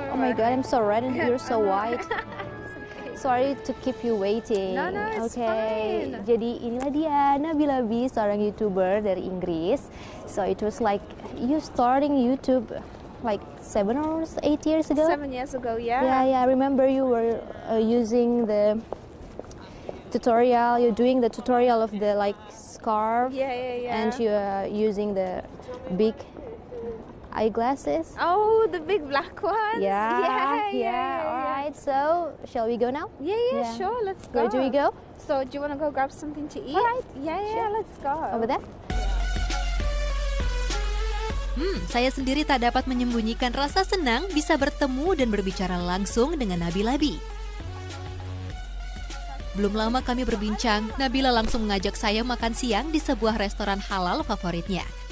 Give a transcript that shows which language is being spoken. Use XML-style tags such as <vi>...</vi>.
<en>Oh my God, I'm so red and you're so white. Sorry to keep you waiting. No, it's okay. Fine.</en> <id>Jadi inilah dia, Nabila B, seorang YouTuber dari Inggris.</id> <en>So it was like you starting YouTube like 7 or 8 years ago? 7 years ago, yeah. Yeah, I remember you were using the tutorial, you're doing the tutorial of the like scarf. Yeah. And you are using the big eyeglasses. Oh, the big black ones. Yeah, all right. So, shall we go now? Yeah, sure, let's go. Where do we go? So, do you want to go grab something to eat? All right. Yeah, sure. Let's go. Over there?</en> <id>Saya sendiri tak dapat menyembunyikan rasa senang bisa bertemu dan berbicara langsung dengan Nabila B. Belum lama kami berbincang, Nabila langsung mengajak saya makan siang di sebuah restoran halal favoritnya.</id>